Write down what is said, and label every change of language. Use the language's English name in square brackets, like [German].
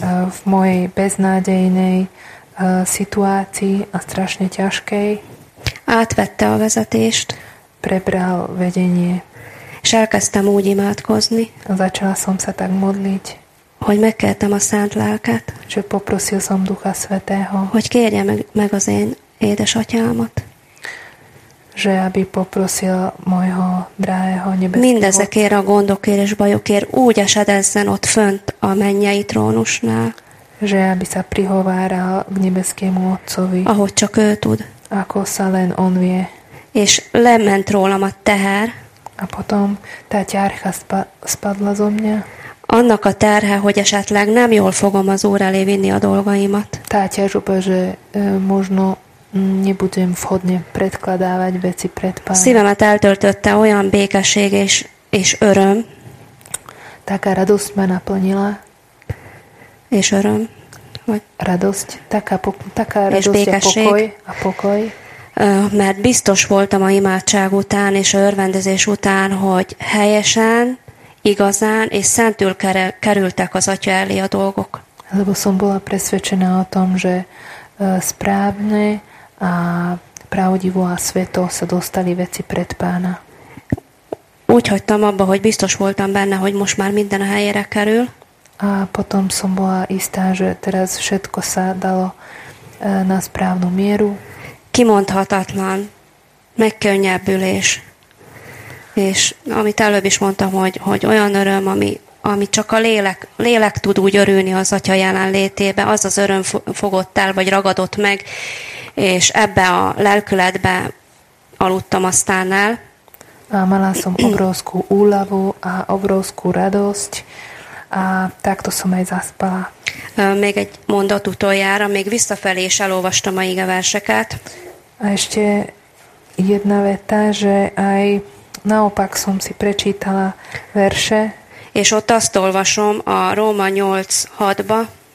[Slovak] V mojej beznádejnej situácii a strašne ťažkej [Hungarian] átvette a vezetést. [Slovak] Prebral vedenie. [Hungarian] És elkezdtem úgy imádkozni. [Slovak] Začala som sa tak modliť. [Hungarian] Hogy megkértem a Szent Lelket. [Slovak] Že poprosil som Ducha Svätého. [Hungarian] Hogy kérje meg az én édesatyámat. [Slovak] Že aby poprosil mojho drahého nebeského. [Hungarian] Mindezekért a gondokért és bajokért úgy esedezzen ott fönt a mennyei trónusnál. [Slovak] Že aby sa prihováral k nebeskému Otcovi. [Hungarian] Ahogy csak ő tud. [Slovak] Ako sa len on vie. [Hungarian] És lement rólam a teher. [Slovak] A potom tá ťarcha spadla zo mňa. [Hungarian] Annak a terhe, hogy esetleg nem jól fogom az Úr elé vinni a dolgaimat. [Slovak] Tátyázsuba, že možno nebudem vhodne predkladávať veci pred Pána. [Hungarian] Szívemet eltöltötte olyan békesség és öröm. [Slovak] Taká radosť ma naplnila. [Hungarian] És öröm. [Slovak] Radosť, taká radosť a pokoj. A pokoj. [Hungarian] Mert biztos voltam a imádság után és a örvendezés után, hogy helyesen, igazán és szentül kerültek az Atya elé a dolgok. [Slovak] Lebo som bola presvedčená o tom, že správne a pravdivo a sveto sa dostali veci pred Pána. [Hungarian] Úgy hagytam abba, hogy biztos voltam benne, hogy most már minden a helyére kerül. [Slovak] A potom som bola istá, že teraz všetko sa dalo na správnu mieru. [Hungarian] Kimondhatatlan megkönnyebbülés. És amit előbb is mondtam, hogy olyan öröm, ami csak a lélek tud úgy örülni az Atya jelenlétébe, az az öröm fogott el, vagy ragadott meg, és ebbe a lelkületbe aludtam aztán el. [Slovak] Mala som obrovskú úľavu a obrovskú radosť, a takto som aj zaspala. [Hungarian] Még egy mondat utoljára, még visszafelé is elolvastam a igeverseket. [Slovak] A ešte jedna veta, že aj naopak som si prečítala verše. [Hungarian] És ott azt olvasom a Róma 8:6-ba.